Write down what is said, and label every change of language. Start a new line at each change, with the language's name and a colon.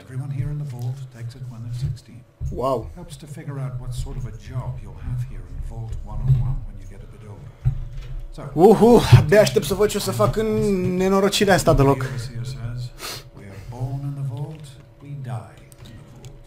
English: Everyone here in the vault takes it when they're 16. Wow. Helps to figure out what sort of a job you'll have here in Vault 101 when you get a bit older.
Romanian: So, abia aștept să văd ce o să fac în nenorocirea asta deloc.
English: We are born in the vault, we die in the vault.